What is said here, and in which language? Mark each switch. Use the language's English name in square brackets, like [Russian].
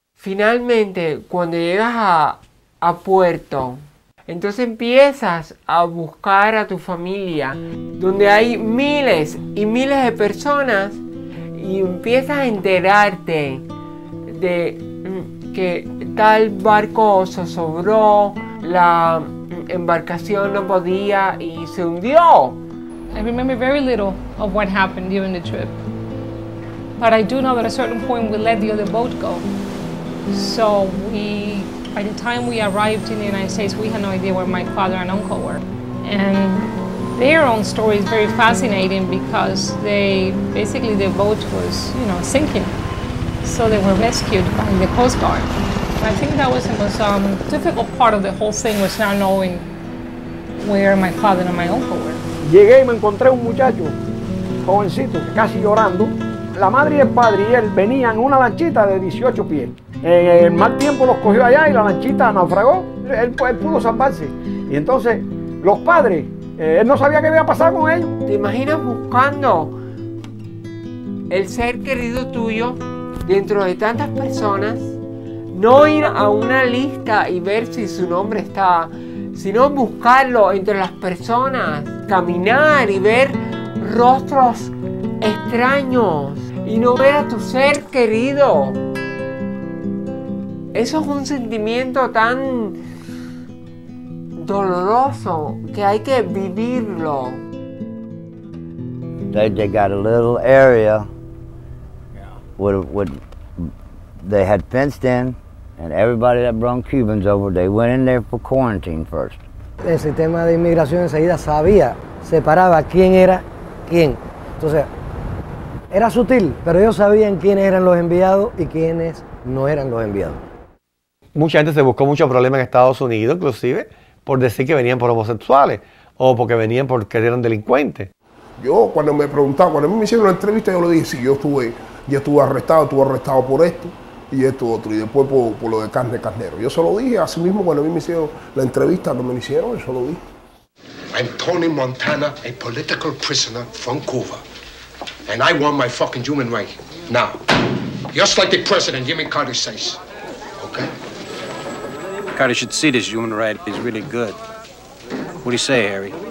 [Spanish] Finalmente, cuando llegas a Puerto, entonces empiezas a buscar a tu familia, donde hay miles y miles de personas, y empiezas a enterarte de que tal barco zozobró, la embarcación no podía y se hundió. [English] I remember very little of what happened during the trip. But I do know that at a certain point we let the other boat go. So we, by the time we arrived in the United States, we had no idea where my father and uncle were. And their own story is very fascinating because they, basically their boat was, you know, sinking. So they were rescued by the Coast Guard. And I think that was the most difficult part of the whole thing, was not knowing where my father and my uncle were. [Spanish] Llegué y me encontré un muchacho, jovencito, casi llorando. La madre y el padre y él venían una lanchita de 18 pies. El mal tiempo los cogió allá y la lanchita naufragó. Él pudo salvarse. Y entonces los padres, él no sabía qué había pasado con ellos. ¿Te imaginas buscando el ser querido tuyo dentro de tantas personas? No ir a una lista y ver si su nombre está, sino buscarlo entre las personas. Caminar y ver rostros extraños y no ver a tu ser querido. Eso es un sentimiento tan doloroso que hay que vivirlo. [English] They got a little area with they had fenced in, and everybody that brought Cubans over, they went in there for quarantine first. [Spanish] El sistema de inmigración enseguida sabía, separaba quién era quién. Entonces, era sutil, pero ellos sabían quiénes eran los enviados y quiénes no eran los enviados. Mucha gente se buscó mucho problema en Estados Unidos, inclusive, por decir que venían por homosexuales o porque venían porque eran delincuentes. Yo, cuando me preguntaban, cuando a mí me hicieron una entrevista, yo le dije, sí, yo estuve arrestado por esto y esto otro, y después por lo de carne carnero. Yo se lo dije, así mismo, cuando a mí me hicieron la entrevista, cuando me lo hicieron, yo se lo dije. [English] I'm Tony Montana, a political prisoner from Cuba. And I want my fucking human right now. Just like the president, Jimmy Carter says. Okay? Carter should see this human right. He's really good. What do you say, Harry?